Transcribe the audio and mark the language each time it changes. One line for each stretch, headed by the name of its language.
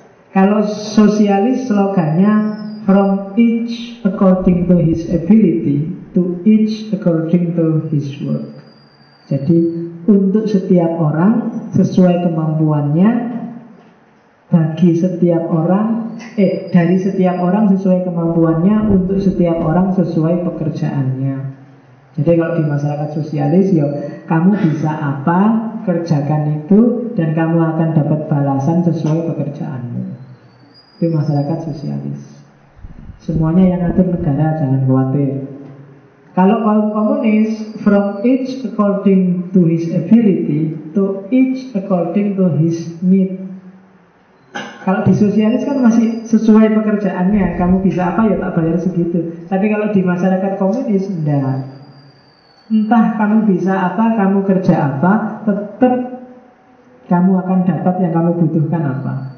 Indonesian: Kalau sosialis slogannya
English: from each according to his ability to each according to his work.
Indonesian: Jadi untuk setiap orang sesuai kemampuannya, bagi setiap orang, dari setiap orang sesuai kemampuannya, untuk setiap orang sesuai pekerjaannya. Jadi kalau di masyarakat sosialis, ya kamu bisa apa, kerjakan itu, dan kamu akan dapat balasan sesuai pekerjaanmu. Itu masyarakat sosialis. Semuanya yang atur negara, jangan khawatir. Kalau kaum komunis,
English: from each according to his ability, to each according to his need.
Indonesian: Kalau di sosialis kan masih sesuai pekerjaannya, kamu bisa apa ya tak bayar segitu. Tapi kalau di masyarakat komunis, enggak. Entah kamu bisa apa, kamu kerja apa, tetap kamu akan dapat yang kamu butuhkan apa.